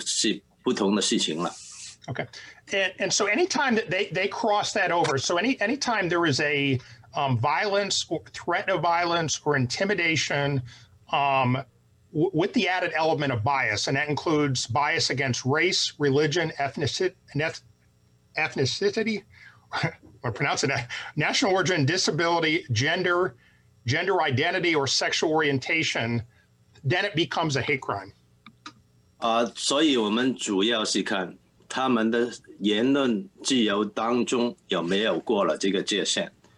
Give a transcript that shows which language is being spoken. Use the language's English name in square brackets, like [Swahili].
[Chinese] 第一宪法之上，我们每一个人都有这个权利，就一个言论的权利。但是要是他们这个权利过了界限，啊，就是犯罪的界限，比方说有伤害人身体啊，有谋杀人啊，有伤害到财物的话，啊，这个就不是不同的事情了。Okay, [English] and so anytime that they cross that over, so anytime there is a violence, or threat of violence, or intimidation with the added element of bias, and that includes bias against race, religion, ethnicity, or pronounce it, national origin, disability, gender identity, or sexual orientation, then it becomes a hate crime. [Chinese] 所以我们主要是看他们的言论自由当中有没有过了这个界限。